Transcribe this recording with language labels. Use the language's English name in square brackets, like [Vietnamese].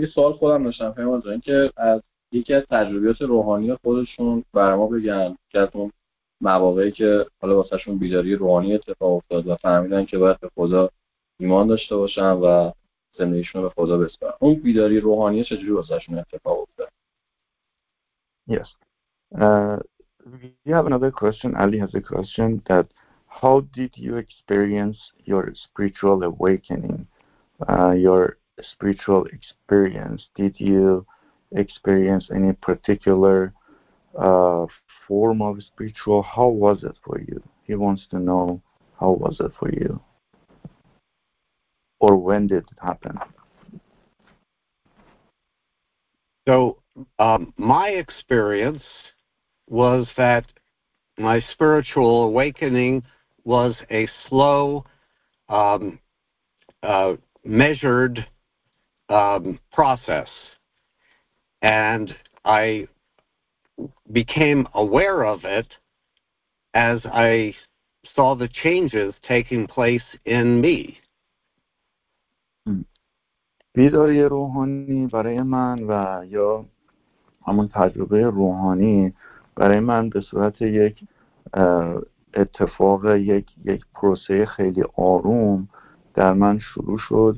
[Persian] یه سوال خودم داشتم فهمید این که از یکی از تجربیات روحانی خودشون برام بگن که از اون مواقعی که حالا واسه شون بیداری روحانی اتفاق افتاد و فهمیدن که باید به خدا ایمان داشته باشن و زندگیشون به خدا بسپارن، اون بیداری روحانی چجوری واسه شون اتفاق افتاد؟ [English] Yes. We have another question. Ali has a question that how did you experience your spiritual awakening? Your spiritual experience, did you experience any particular form of spiritual? How was it for you? He wants to know how was it for you or when did it happen. So my experience was that my spiritual awakening was a slow measured process, and I became aware of it as I saw the changes taking place in me. [Persian] بیداری روحانی برای من و یا همون تجربه روحانی برای من به صورت یک اتفاق، یک پروسه خیلی آروم در من شروع شد.